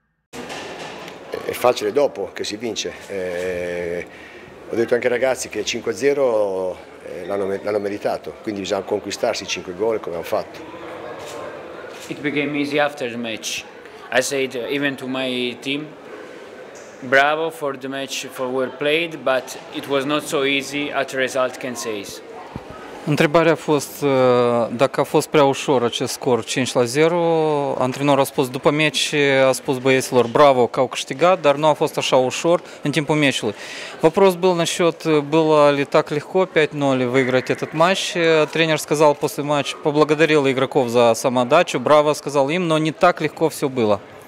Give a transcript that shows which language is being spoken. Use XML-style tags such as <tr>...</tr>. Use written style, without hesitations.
<it>facile dopo che si vince. Ho detto anche ai ragazzi che 5-0 l'hanno meritato, quindi bisogna conquistarsi 5 gol come hanno fatto.</it> <en>It became easy after the match. I said even to my team, bravo for the match for well played, but it was not so easy as the result can say.</en> <ro>Întrebarea a fost dacă a fost prea ușor acest scor 5-0. Antrenorul a spus după meci, a spus băieților bravo că au câștigat, dar nu a fost așa ușor în timpul meciului.</ro> <ru>Вопрос был насчет, было ли так легко 5-0 выиграть этот матч. Тренер сказал после матча, поблагодарил игроков за самоотдачу, браво сказал им, но не так легко все было.</ru>